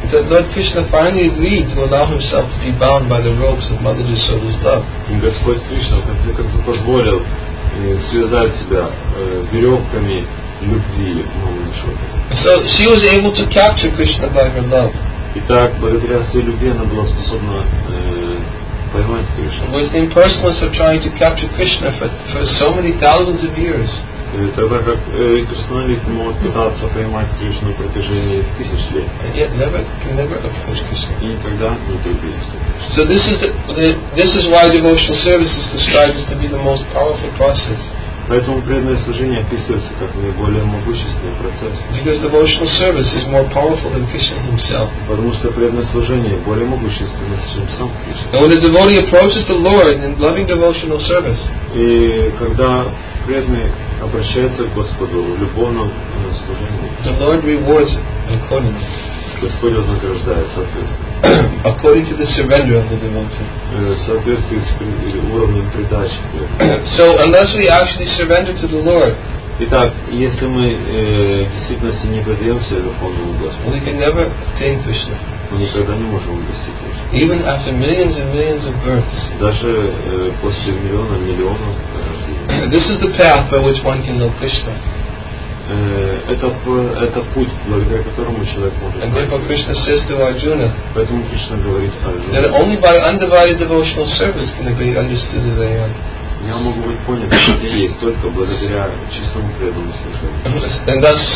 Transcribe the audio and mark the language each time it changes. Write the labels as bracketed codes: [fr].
[en] That Lord Krishna finally agreed to allow himself to be bound by the ropes of Mother Jasoda's love. [ru] И Господь Кришна в конце концов позволил связать себя веревками. [en] So she was able to capture Krishna by her love. [ru] Итак, благодаря своей любви она была способна поймать Кришну. [en] Was the impersonalist of trying to capture Krishna for so many thousands of years? [ru] Тогда как персоналист мог пытаться поймать Кришну на протяжении тысяч лет. [en] And yet never approach Krishna. [ru] И никогда не приблизиться. [en] So this is why devotional service is described as to be the most powerful process. [ru] Поэтому преданное служение описывается как наиболее могущественный процесс. [en] Because devotional service is more powerful than Krishna himself. [ru] Потому что преданное служение более могущественно, чем сам Кришна. [en] When a devotee approaches the Lord in loving devotional service. [ru] И когда преданный обращается к Господу в любовном служении. [en] The Lord rewards accordingly. [ru] Господь вознаграждает соответственно. [en] According to the surrender of the devotee. [ru] Соответствие с уровнем предачи. [en] So unless we actually surrender to the Lord. [ru] Итак, если мы действительно не поддаемся духовному Господу. [en] We can never attain Krishna. [ru] Мы никогда не можем достичь Кришны. [en] Even after millions and millions of births. [ru] Даже после миллионов рождений. [en] This is the path by which one can know Krishna. [ru] Это путь, благодаря которому человек может [en] And therefore Krishna says to Arjuna, [ru] поэтому Кришна говорит Арджуне, [en] that only by undivided devotional service can it be understood as I am. [ru] Я могу быть понят, что есть только благодаря чистому преданному служению.